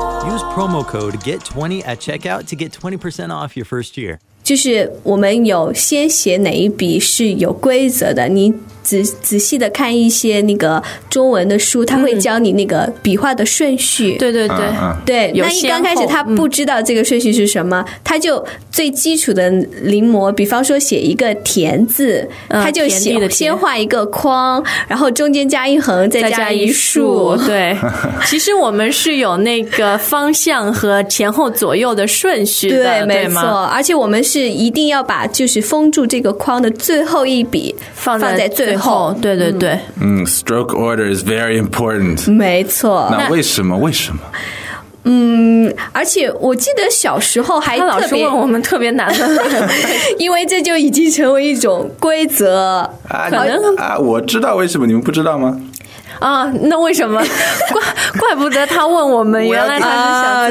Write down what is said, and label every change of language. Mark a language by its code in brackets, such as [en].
[en] Use promo code GET20 at checkout to get 20% off your first year. [zh] 就是我们有先写哪一笔是有规则的，你仔细的看一些那个中文的书，他会教你那个笔画的顺序。对对对，对。那一刚开始他不知道这个顺序是什么，他就最基础的临摹，比方说写一个田字，他就写先画一个框，然后中间加一横，再加一竖。对，其实我们是有那个方向和前后左右的顺序的，对，没错。而且我们是一定要把就是封住这个框的最后一笔放在最后，对对对。 [en] Stroke order is very important. [zh] 没错。那为什么？为什么？而且我记得小时候还特别，他老师问我们特别难的，因为这就已经成为一种规则。可能我知道为什么，你们不知道吗？啊，那为什么？怪不得他问我们，原来他是想